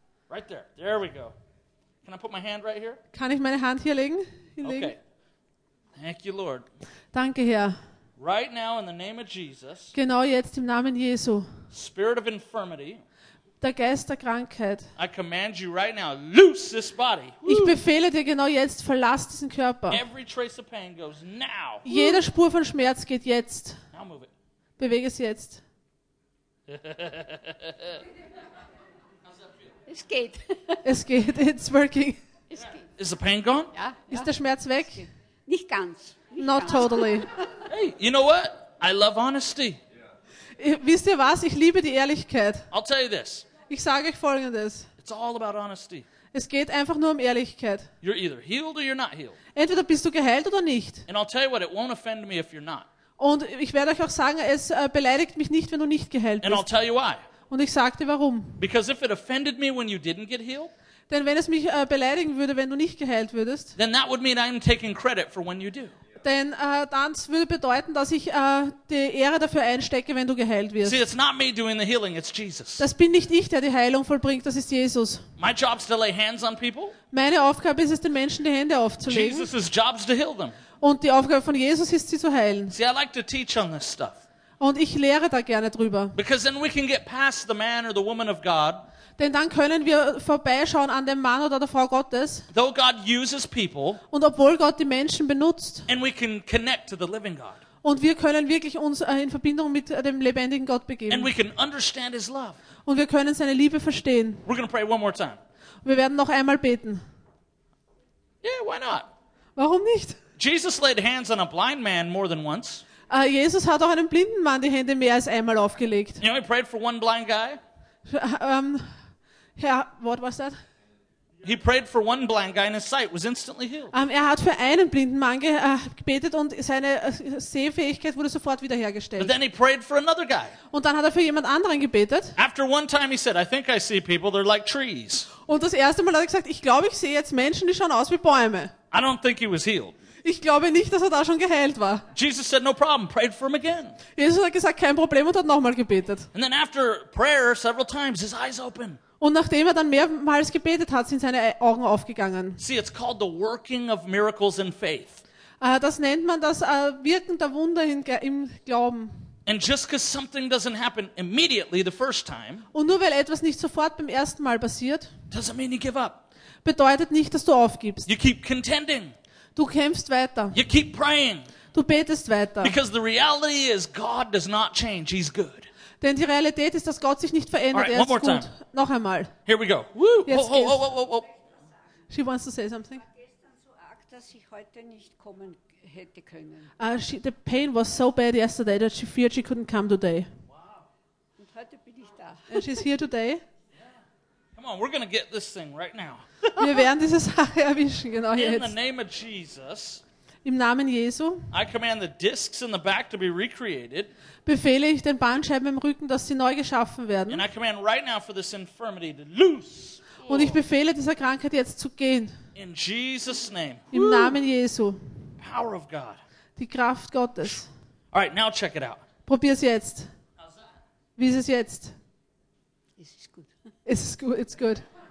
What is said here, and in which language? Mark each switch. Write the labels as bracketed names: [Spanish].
[English] Right there. There we go. Can I put my hand right here? [German] Kann ich meine Hand hier legen? [English] Okay. Thank you, Lord. [German] Danke, Herr. [English] Right now in the name of Jesus. [German] Genau jetzt im Namen Jesu. [English] Spirit of infirmity. [German] Der Geist der Krankheit. [English] I command you right now, loose this body. [German] Ich befehle dir genau jetzt, verlass diesen Körper. [English] Every trace of pain goes now. [German] Jede Spur von Schmerz geht jetzt. [English] Now move it. [German] Bewege es jetzt. Es geht. Es geht. [English] It's working. [German] Es geht. [English] Is the pain gone? [German] Ja. Ist der Schmerz weg? Nicht ganz. [English] Not totally. Hey, you know what? I love honesty. [German] Wisst ihr was? Ich liebe die Ehrlichkeit. [English] I'll tell you this. [German] Ich sage euch Folgendes. [English] It's all about honesty. [German] Es geht einfach nur um Ehrlichkeit. [English] You're either healed or you're not healed. [German] Entweder bist du geheilt oder nicht. [English] And I'll tell you what, it won't offend me if you're not. [German] Und ich werde euch auch sagen, es beleidigt mich nicht, wenn du nicht geheilt bist. [English] And I'll tell you why. [German] Und ich sage dir warum. [English] Because if it offended me when you didn't get healed, [German] denn wenn es mich beleidigen würde, wenn du nicht geheilt würdest, [English] then that would mean I'm taking credit for when you do. [German] Denn dann würde bedeuten, dass ich die Ehre dafür einstecke, wenn du geheilt wirst. [English] See, it's not me doing the healing, it's Jesus. [German] Das bin nicht ich, der die Heilung vollbringt, das ist Jesus. [English] My job's to lay hands on people. [German] Meine Aufgabe ist es, den Menschen die Hände aufzulegen. [English] Jesus's job's to heal them. [German] Und die Aufgabe von Jesus ist, sie zu heilen. [English] See, I like to teach on this stuff. [German] Und ich lehre da gerne drüber. [English] Because then we can get past the man or the woman of God. [German] Denn dann können wir vorbeischauen an dem Mann oder der Frau Gottes. [English] Though God uses people, [German] und obwohl Gott die Menschen benutzt. [English] And we can connect to the living God. [German] Und wir können wirklich uns in Verbindung mit dem lebendigen Gott begeben. [English] And we can understand his love. [German] Und wir können seine Liebe verstehen. [English] We're gonna pray one more time. [German] Wir werden noch einmal beten. [English] Yeah, why not? [German] Warum nicht? [English] Jesus laid hands on a blind man more than once. [German] Jesus hat auch einem blinden Mann die Hände mehr als einmal aufgelegt. [English] You know, he prayed for one blind guy. What was that? He prayed for one blind guy and his sight was instantly healed. [German] Er hat für einen blinden Mann gebetet und seine Sehfähigkeit wurde sofort wiederhergestellt. [English] But then he prayed for another guy. [German] Und dann hat er für jemand anderen gebetet. [English] After one time he said, I think I see people, they're like trees. [German] Und das erste Mal hat er gesagt, ich glaube, ich sehe jetzt Menschen, die schauen aus wie Bäume. [English] I don't think he was healed. [German] Ich glaube nicht, dass er da schon geheilt war. [English] Jesus said no problem, prayed for him again. [German] Jesus hat gesagt, kein Problem und hat nochmal gebetet. [English] And then after prayer several times his eyes opened. [German] Und nachdem er dann mehrmals gebetet hat, sind seine Augen aufgegangen. [English] See, it's called the working of miracles in faith. [German] Das nennt man das Wirken der Wunder im Glauben. [English] And just because something doesn't happen immediately the first time, [German] und nur weil etwas nicht sofort beim ersten Mal passiert, [English] doesn't mean you give up. [German] Bedeutet nicht, dass du aufgibst. [English] You keep contending. [German] Du kämpfst weiter. [English] You keep praying. [German] Du betest weiter. [English] Because the reality is, God does not change. He's good. [German] Denn die Realität ist, dass Gott sich nicht verändert. [English] All right, [German] er ist [English] one [German] gut. [English] Time. [German] Noch einmal. [English] Here we go. Woo. She wants to say something. The pain was so bad yesterday that she feared she couldn't come today. [German] Wow. Und heute bin ich da. [English] And she's here today. Come on, we're going to get this thing right now. [German] Wir werden diese Sache erwischen, genau jetzt. [English] In the name of Jesus. [German] Im Namen Jesu. [English] I command the discs in the back to be recreated. [German] Befehle ich den Bandscheiben im Rücken, dass sie neu geschaffen werden. [English] And I command right now for this infirmity to loose. [German] Und ich befehle dieser Krankheit jetzt zu gehen. [English] In Jesus' name. [German] Im Namen Jesu. [English] Power of God. [German] Die Kraft Gottes. [English] All right, now check it out. [German] Probier es jetzt. Wie ist es jetzt? Es ist gut. Es ist gut. [English] It's good.